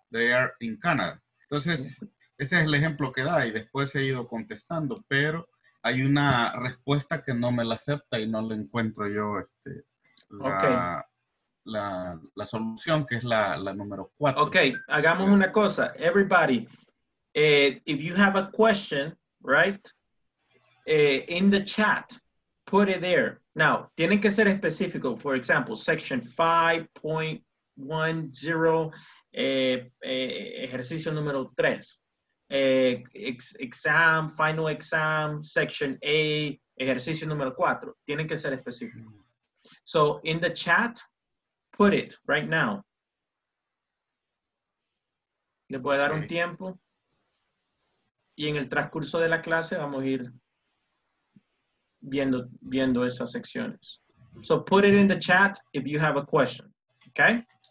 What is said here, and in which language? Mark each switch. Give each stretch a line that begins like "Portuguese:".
English: They are in Canada.
Spanish: Entonces, ese es el ejemplo que da y después he ido contestando, pero hay una respuesta que no me la acepta y no le encuentro yo la solución, que es la número 4. Okay, hagamos una cosa.
English: Everybody, if you have a question, right, in the chat, put it there.
Spanish: Now, tienen que ser específico.
English: For example, section 5.10,
Spanish: ejercicio número 3,
English: exam, final exam, section A,
Spanish: ejercicio número 4, tienen que ser específicos.
English: So, in the chat, put it right now.
Spanish: Les voy a dar un tiempo y en el transcurso de la clase vamos a ir viendo esas secciones.
English: So, put it in the chat if you have a question, okay?